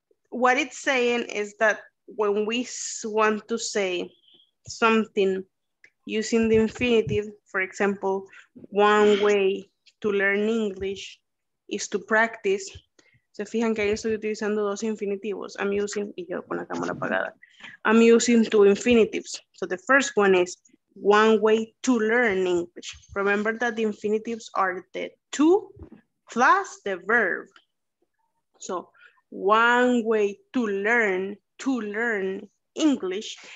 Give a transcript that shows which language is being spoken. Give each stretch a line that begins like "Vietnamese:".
English: What it's saying is that when we want to say something using the infinitive, for example, one way to learn English is to practice.
Spanish: Se fijan que ahí estoy utilizando dos infinitivos.
English: I'm using,
Spanish: y yo con la cámara apagada.
English: I'm using two infinitives. So the first one is one way to learn English. Remember that the infinitives are the two plus the verb. So one way to learn English.